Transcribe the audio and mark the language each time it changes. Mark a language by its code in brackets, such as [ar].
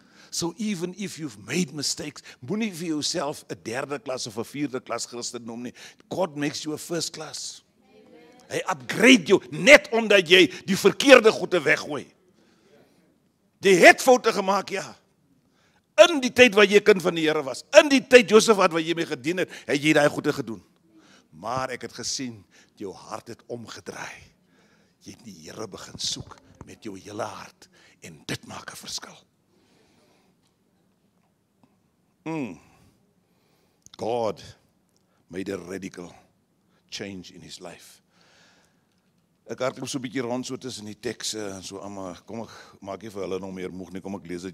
[en] So even if you've made mistakes, [af] moet nie vir jouself een derde klas of een vierde klas Christen noem nie. [en] God makes you a first class. [af] Hy upgrade jou, net omdat jy die verkeerde goede weggooi. Jy het foute gemaakt, ja. In die tyd waar jy kind van die Here was, in die tyd Jehoshaphat waar jy mee gedien het, het jy die goede gedoen. Maar ek het gesien, jou hart het omgedraai. Jy het die Here begin soek met jou hele hart. En dit maak 'n verskil. [en] God made a radical change in his life. [af] Ek hardloop so 'n bietjie rond so tussen die tekste en so almal. Kom ek maak nie vir hulle nog meer moeg nie. Kom ek lees dit.